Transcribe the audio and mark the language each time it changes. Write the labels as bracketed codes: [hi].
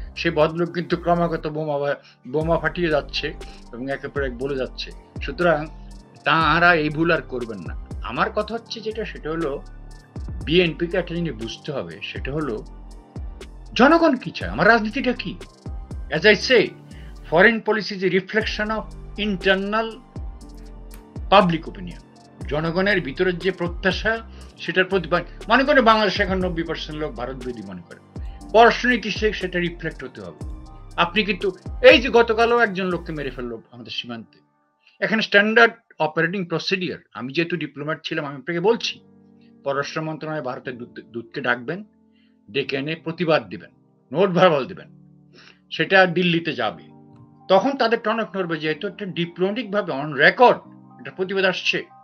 [bn] সেই ভদ্রলোক কিন্তু ক্রমাগত বোমা ফাটিয়ে যাচ্ছে এবং একে পর এক বলে যাচ্ছে। সুতরাং তাহারা এই ভুল আর করবেন না। আমার কথা হচ্ছে যেটা, সেটা হলো বিএনপিকে একটা জিনিস বুঝতে হবে, সেটা হলো জনগণ কি চায়, আমার রাজনীতিটা কি। [en] As I say, foreign policy is a reflection of internal public opinion. [bn] জনগণের ভিতরের যে প্রত্যাশা সেটার প্রতি, মনে করে বাংলাদেশে এখন 90% লোক ভারতবিরোধী মনে করে, অর্থনীতি সেটা রিফ্লেক্ট হতে হবে। আপনি কিন্তু এই যে গতকালও একজন লোককে মেরে ফেললো আমাদের সীমান্তে, এখানে স্ট্যান্ডার্ড অপারেটিং প্রসিডিওর। আমি যেহেতু ডিপ্লোমেট ছিলাম, আমি আপনাকে বলছি, পররাষ্ট্র মন্ত্রণালয়ে ভারতের দূতকে ডাকবেন, ডেকে এনে প্রতিবাদ দেবেন, নোট ভার্বাল দেবেন, সেটা দিল্লিতে যাবে, তখন তাদের টনক নড়বে যে এত একটা ডিপ্লোমেটিক ভাবে অন রেকর্ড একটা প্রতিবাদ আসছে।